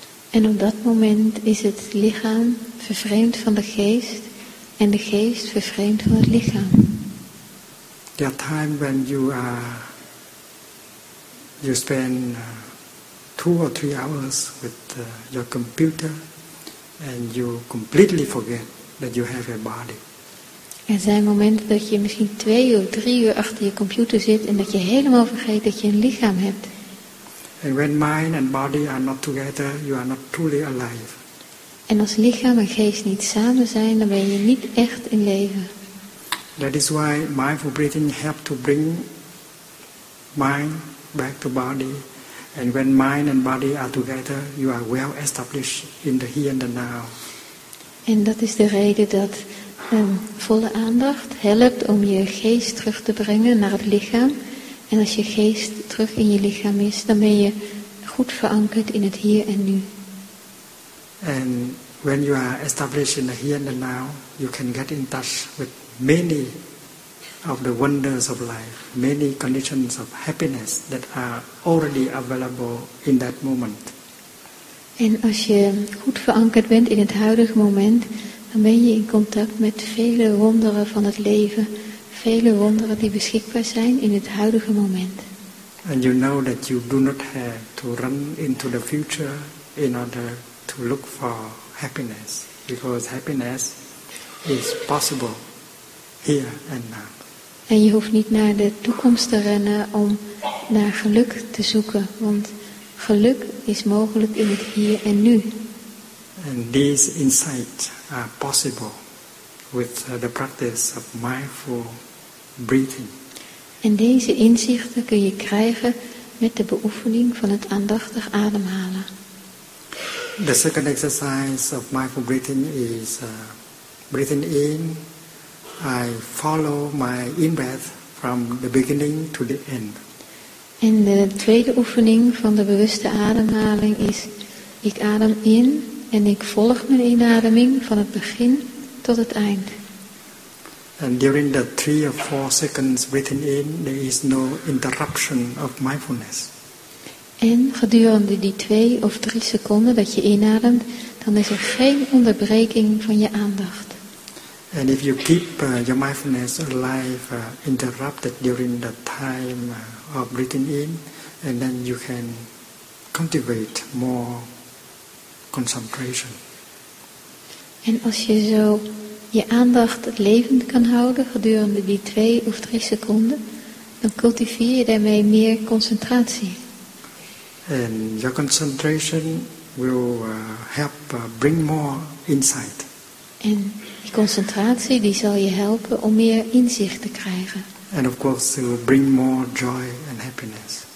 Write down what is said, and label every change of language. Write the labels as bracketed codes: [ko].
[nl] En op dat moment is het lichaam vervreemd van de geest, en de geest vervreemd van het lichaam. [en] There are times when you spend 2 or 3 hours with your computer, and you completely forget that you have a body. [nl] Er zijn momenten dat je misschien 2 of 3 uur achter je computer zit en dat je helemaal vergeet dat je een lichaam hebt. [en] And when mind and body are not together, you are not truly alive. [nl] En als lichaam en geest niet samen zijn, dan ben je niet echt in leven. [en] That is why mindful breathing helps to bring mind back to body. And when mind and body are together, you are well established in the here and the now. [nl] En dat is de reden dat volle aandacht helpt om je geest terug te brengen naar het lichaam. En als je geest terug in je lichaam is, dan ben je goed verankerd in het hier en nu. [en] And when you are established in the here and the now, you can get in touch with many of the wonders of life, many conditions of happiness that are already available in that moment. [nl] En als je goed verankerd bent in het huidige moment, dan ben je in contact met vele wonderen van het leven, vele wonderen die beschikbaar zijn in het huidige moment. [en] And you know that you do not have to run into the future in order to look for happiness, because happiness is possible here and now. [nl] En je hoeft niet naar de toekomst te rennen om naar geluk te zoeken, want geluk is mogelijk in het hier en nu. [en] And these insights are possible with the practice of mindful breathing. [nl] En deze inzichten kun je krijgen met de beoefening van het aandachtig ademhalen. [en] The second exercise of mindful breathing is breathing in. I follow my in-breath from the beginning to the end. [nl] En de tweede oefening van de bewuste ademhaling is, ik adem in en ik volg mijn inademing van het begin tot het eind. [en] And during the 3 or 4 seconds breathing in, there is no interruption of mindfulness. [nl] En gedurende die 2 of 3 seconden dat je inademt, dan is er geen onderbreking van je aandacht. [en] And if you keep your mindfulness alive, interrupted during the time of breathing in, and then you can cultivate more concentration. [nl] En als je zo je aandacht levend kan houden gedurende die 2 of 3 seconden, dan cultiveer je daarmee meer concentratie. [en] And your concentration will help bring more insight. [nl] En die concentratie die zal je helpen om meer inzicht te krijgen. [en] And of course it will bring more joy and happiness.